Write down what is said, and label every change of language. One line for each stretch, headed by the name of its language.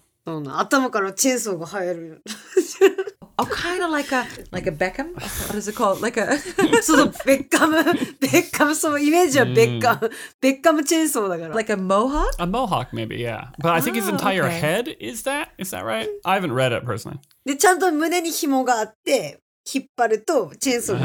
Japanese: 頭からチェーンソーが生える。
English: A kind of like a Beckham? What is it called? Like a...
Japanese: そうそう、ベッカム。ベッカム、そのイメージはベッカム。ベッカムチェーンソーだから。
English: Like a mohawk? A mohawk, maybe, yeah. But I think his entire head is that? Is that right? I haven't read it, personally.
Japanese: で、ちゃんと胸に紐があって、引っ張るとチェーンソーが